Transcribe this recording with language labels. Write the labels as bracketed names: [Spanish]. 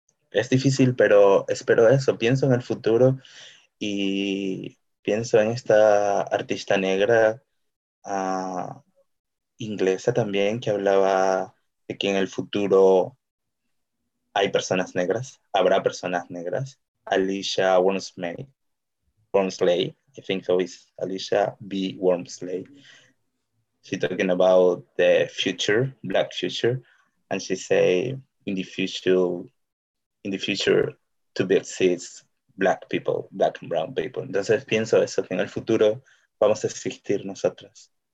[Spanish] es difícil, pero espero eso. Pienso en el futuro y pienso en esta artista negra, inglesa también, que hablaba de que en el futuro hay personas negras, habrá personas negras. [English] Alicia Wormsley, I think so, is Alicia B. Wormsley. She's talking about the future, black future, and she say in the future to be exists black people, black and brown people. [Spanish] Entonces pienso eso, que en el futuro vamos a existir nosotros.